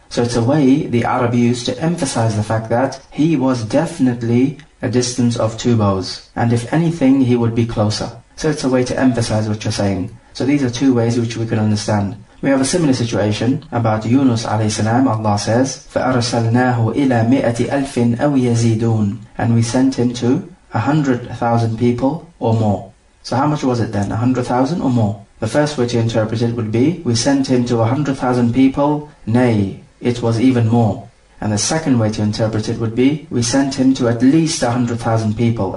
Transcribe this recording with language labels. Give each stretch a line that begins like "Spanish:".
English: So it's a way the Arab used to emphasize the fact that he was definitely a distance of two bows. And if anything, he would be closer. So it's a way to emphasize what you're saying. So these are two ways which we can understand. We have a similar situation about Yunus alayhi salam. Allah says,
Arabic: فَأَرْسَلْنَاهُ إِلَى مِئَةِ أَلْفٍ أَوْ يَزِيدُونَ.
English: And we sent him to 100,000 people or more. So how much was it then? 100,000 or more? The first way to interpret it would be, we sent him to 100,000 people, nay, it was even more. And the second way to interpret it would be, we sent him to at least 100,000 people.